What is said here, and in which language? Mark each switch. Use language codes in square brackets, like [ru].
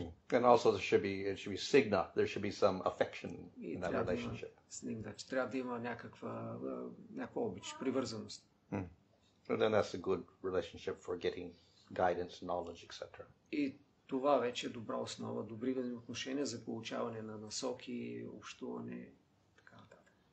[en] And also there should be signa, there should be some affection in that relationship. [bg] Трябва да има някаква обич, привързаност. [en] And then that's a good relationship for getting guidance, knowledge, etc. [bg] И това вече е добра основа, добри отношения за получаване на насоки, общуване, така нататък.